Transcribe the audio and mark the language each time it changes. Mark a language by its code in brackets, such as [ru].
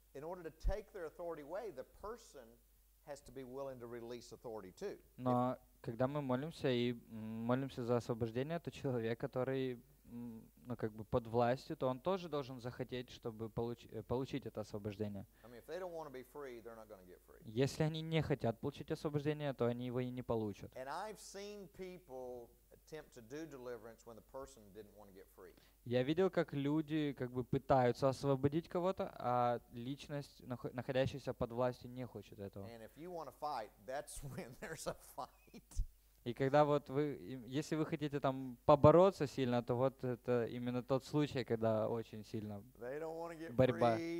[en] In order to take their authority away, the person has to be willing to release authority too. [ru] Но когда мы молимся и молимся за освобождение, то человек, который, ну, как бы под властью, то он тоже должен захотеть, чтобы получить это освобождение. [en] I mean, if they don't want to be free, they're not going to get free. [ru] Если они не хотят получить освобождение, то они его и не получат. [en] And I've seen people attempt to do deliverance when the person didn't want to get free. [ru] Я видел, как люди как бы пытаются освободить кого-то, а личность, находящаяся под властью, не хочет этого. [en] And if you want to fight, that's when there's a fight. [ru] И когда вот вы, если вы хотите там побороться сильно, то вот это именно тот случай, когда очень сильно борьба.